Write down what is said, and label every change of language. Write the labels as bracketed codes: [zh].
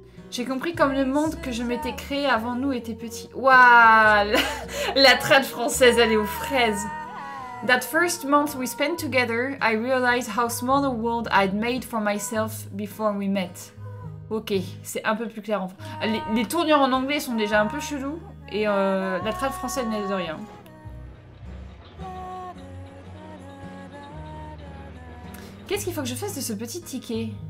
[fr] J'ai compris comme le monde que je m'étais créé avant nous était petit. Waouh, la traite française elle est aux fraises. [en] That first month we spent together, I realized how small a world I'd made for myself before we met. [fr] Ok, c'est un peu plus clair. Enfin, les tournures en anglais sont déjà un peu chelous et la traduction française n'aide de rien. Qu'est-ce qu'il faut que je fasse de ce petit ticket?